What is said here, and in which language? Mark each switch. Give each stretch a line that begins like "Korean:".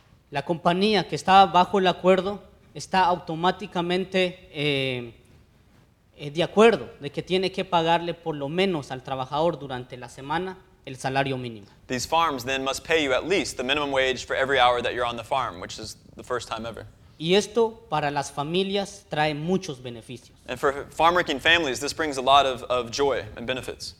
Spanish: la compañía que está bajo el acuerdo está automáticamente de acuerdo de que tiene que pagarle por lo menos al trabajador durante la semana el salario mínimo.
English: These farms then must pay you at least the minimum wage for every hour that you're on the farm, which is the first time ever.
Spanish: Y esto para las familias trae muchos beneficios.
English: And for farm-working families, this brings a lot of joy and benefits.